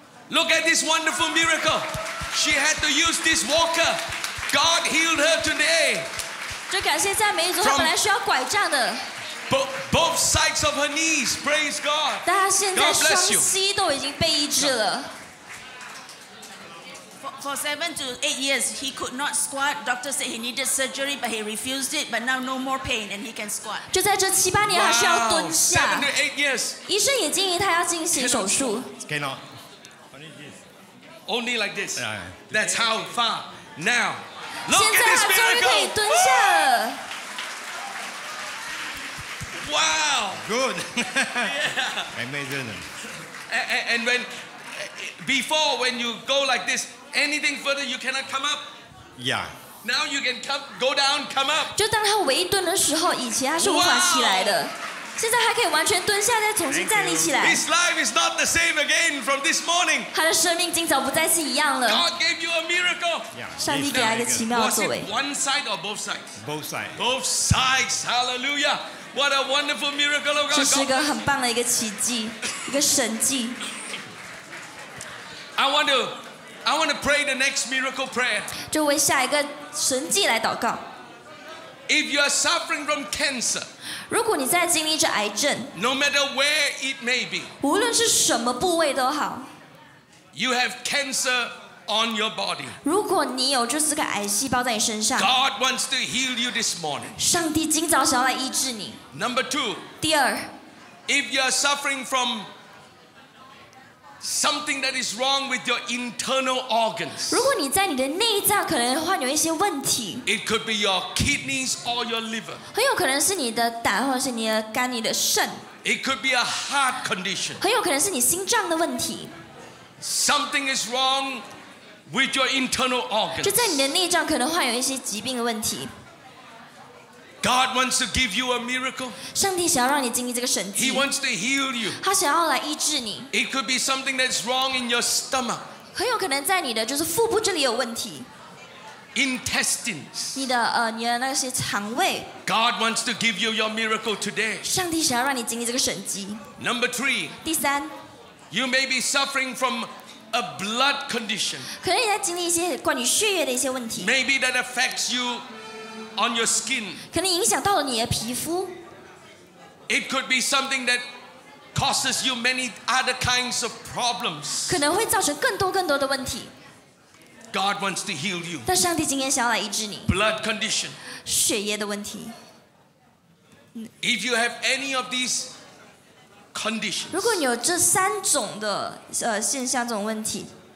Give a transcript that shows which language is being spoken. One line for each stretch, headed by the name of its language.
English: Look at this wonderful miracle. She had to use this walker. God healed her today.
Chinese: 就感谢赞美主，她本来需要拐杖的。
English: Both sides of her knees, praise God.
Chinese: 但她现在双膝都已经被医治了。
English: For 7 to 8 years, he could not squat. Doctor said he needed surgery, but he refused it. But now no more pain, and he can squat.
Chinese: 就在这七八年，他需要蹲下。
English: 7 to 8 years.
Chinese: 医生也建议他要进行手术。
English: Cannot. Only like this. That's how far. Now, look at this miracle.
Chinese: 现在他终于可以蹲下了。
English: Wow. Good. Yeah. Amazing. And when before when you go like this. Anything further, you cannot come up. Yeah. Now you can come, go down, come up.
Chinese: 就当他微蹲的时候，以前他是无法起来的，现在他可以完全蹲下，再重新站立起来。
English: His life is not the same again from this morning.
Chinese: 他的生命今早不再是一样了。
English: God gave you a miracle. Yeah.
Chinese: 上帝给他一个奇妙的作为。
English: Was it one side or both sides? Both sides. Both sides. Hallelujah. What a wonderful miracle of God.
Chinese: 这是一个很棒的一个奇迹，一个神迹。
English: I want to pray the next miracle prayer.
Chinese: 就为下一个神迹来祷告。
English: If you are suffering from cancer,
Chinese: 如果你在经历着癌症
English: ，No matter where it may be,
Chinese: 无论是什么部位都好
English: ，You have cancer on your body.
Chinese: 如果你有就是个癌细胞在你身上
English: ，God wants to heal you this morning.
Chinese: 上帝今早想要来医治你。
English: Number two.
Chinese: 第二
English: ，If you are suffering from something that is wrong with your internal organs.
Chinese: 如果你在你的内脏可能患有一些问题
English: ，it could be your kidneys or your liver.
Chinese: 很有可能是你的胆或者是你的肝、你的肾。
English: It could be a heart condition.
Chinese: 很有可能是你心脏的问题。
English: Something is wrong with your internal organs.
Chinese: 就在你的内脏可能患有一些疾病的问题。
English: God wants to give you a miracle.
Chinese: 上帝想要让你经历这个神迹。
English: He wants to heal you.
Chinese: 他想要来医治你。
English: It could be something that's wrong in your stomach.
Chinese: 很有可能在你的就是腹部这里有问题。
English: Intestines.
Chinese: 你的那些肠胃。
English: God wants to give you your miracle today.
Chinese: 上帝想要让你经历这个神迹。
English: Number three.
Chinese: 第三。
English: You may be suffering from a blood condition.
Chinese: 可能你在经历一些关于血液的一些问题。
English: Maybe that affects you. On your skin,
Chinese: 可能影响到了你的皮肤。
English: It could be something that causes you many other kinds of problems.
Chinese: 可能会造成更多更多的问题。
English: God wants to heal you.
Chinese: 但上帝今天想要来医治你。
English: Blood condition,
Chinese: 血液的问题。
English: If you have any of these conditions,
Chinese: 如果你有这三种的现象，这种问题。